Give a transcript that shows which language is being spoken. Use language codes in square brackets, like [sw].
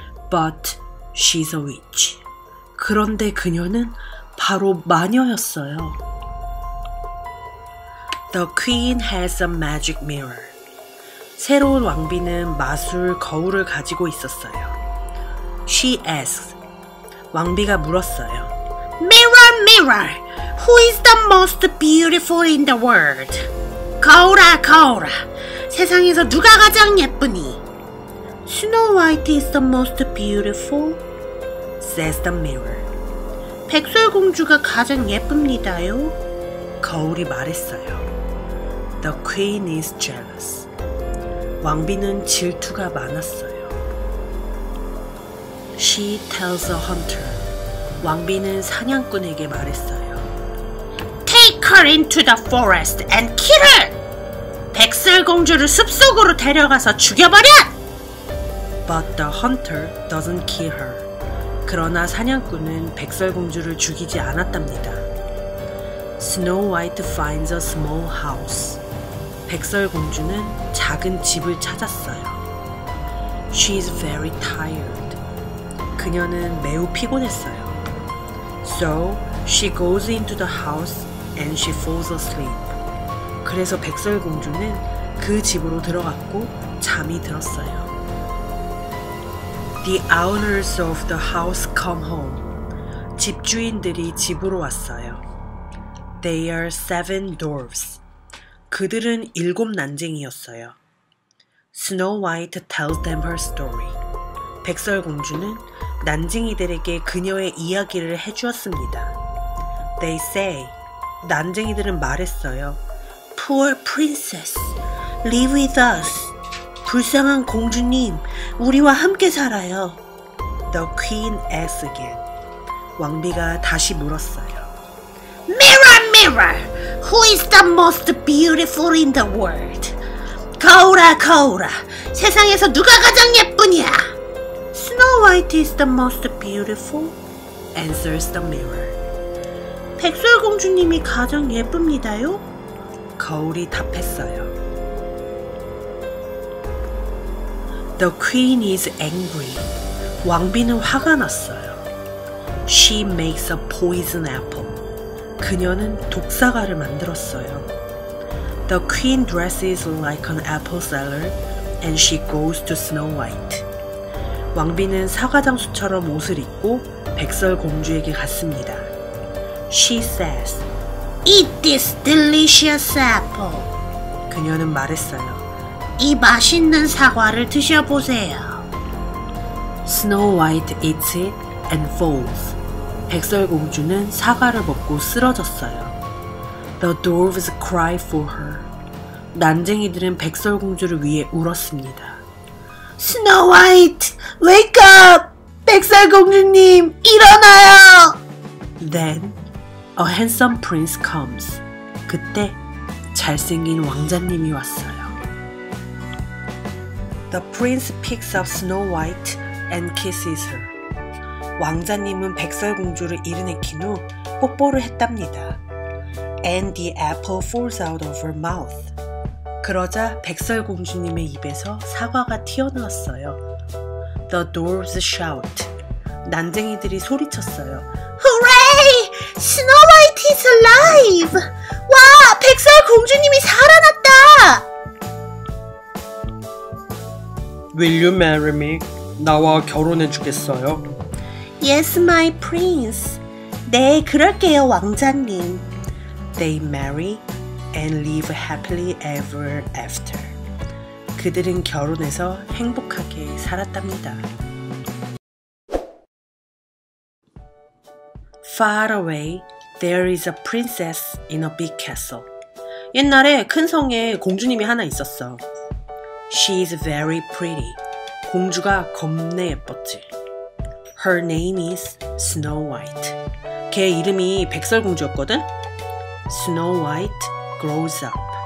[en] But she's a witch. [ko] 그런데 그녀는 바로 마녀였어요. [en] The queen has a magic mirror. [ko] 새로운 왕비는 마술 거울을 가지고 있었어요. [en] She asks. [ko] 왕비가 물었어요. [en] Mirror, mirror, who is the most beautiful in the world? [ko] 거울아, 거울아, 세상에서 누가 가장 예쁘니? [en] Snow White is the most beautiful, says the mirror. [ko] 백설공주가 가장 예쁩니다요. 거울이 말했어요. [en] The queen is jealous. [ko] 왕비는 질투가 많았어요. [en] She tells a hunter. [ko] 왕비는 사냥꾼에게 말했어요. [en] Take her into the forest and kill her! [ko] 백설공주를 숲속으로 데려가서 죽여버려! [en] But the hunter doesn't kill her. [ko] 그러나 사냥꾼은 백설공주를 죽이지 않았답니다. [en] Snow White finds a small house. [ko] 백설공주는 작은 집을 찾았어요. [en] She is very tired. [ko] 그녀는 매우 피곤했어요. [en] So she goes into the house and she falls asleep. [ko] 그래서 백설공주는 그 집으로 들어갔고 잠이 들었어요. [en] The owners of the house come home. [ko] 집주인들이 집으로 왔어요. [en] They are seven dwarfs. [ko] 그들은 일곱 난쟁이였어요. [en] Snow White tells them her story. [ko] 백설공주는 난쟁이들에게 그녀의 이야기를 해주었습니다. [en] They say, [ko] 난쟁이들은 말했어요. [en] Poor princess, live with us. [ko] 불쌍한 공주님, 우리와 함께 살아요. [en] The queen asks again. [ko] 왕비가 다시 물었어요. [en] Mirror, mirror! Who is the most beautiful in the world? [ko] 거울아, 거울아! 세상에서 누가 가장 예쁘냐? [en] Snow White is the most beautiful, answers the mirror. [ko] 백설공주님이 가장 예쁩니다요. 거울이 답했어요. [en] The queen is angry. [ko] 왕비는 화가 났어요. [en] She makes a poison apple. [ko] 그녀는 독사과를 만들었어요. [en] The queen dresses like an apple seller and she goes to Snow White. [ko] 왕비는 사과장수처럼 옷을 입고 백설공주에게 갔습니다. [en] She says, Eat this delicious apple. [ko] 그녀는 말했어요. 이 맛있는 사과를 드셔보세요. [en] Snow White eats it and falls. [ko] 백설공주는 사과를 먹고 쓰러졌어요. [en] The dwarves cry for her. [ko] 난쟁이들은 백설공주를 위해 울었습니다. [en] Snow White, wake up! [ko] 백설공주님, 일어나요! [en] Then, a handsome prince comes. [ko] 그때, 잘생긴 왕자님이 왔어요. [en] The prince picks up Snow White and kisses her. [ko] 왕자님은 백설공주를 일으킨 후 뽀뽀를 했답니다. [en] And the apple falls out of her mouth. [ko] 그러자 백설공주님의 입에서 사과가 튀어나왔어요. [en] The dwarves shout. [ko] 난쟁이들이 소리쳤어요. [en] Hooray! Snow White is alive! [ko] 와! 백설공주님이 살아났다! [en] Will you marry me? [ko] 나와 결혼해 주겠어요? [en] Yes, my prince. [ko] 네, 그럴게요, 왕자님. [en] They marry and live happily ever after. [ko] 그들은 결혼해서 행복하게 살았답니다. [en] Far away, there is a princess in a big castle. [ko] 옛날에 큰 성에 공주님이 하나 있었어. [en] She is very pretty. [ko] 공주가 겁내 예뻤지. [en] Her name is Snow White. [ko] 걔 이름이 백설공주였거든? [en] Snow White grows up.